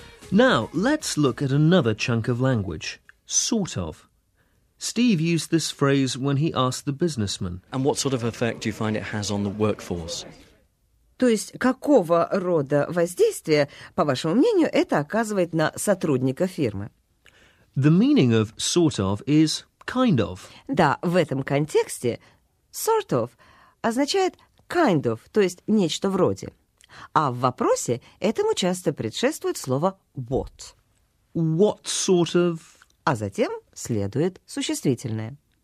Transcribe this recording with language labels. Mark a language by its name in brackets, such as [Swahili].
[English] Now, let's look at another chunk of language. Sort of. Steve used this phrase when he asked the businessman. And what sort of effect do you find it has on the workforce? [Russian] То есть, какого рода воздействие, по вашему мнению, это оказывает на сотрудника фирмы? [English] The meaning of sort of is kind of. [Russian] Да, в этом контексте [English] sort of [Russian] означает [English] kind of, [Russian] то есть нечто вроде. А в вопросе этому часто предшествует слово what. [English] What sort of... [Russian] А затем следует существительное.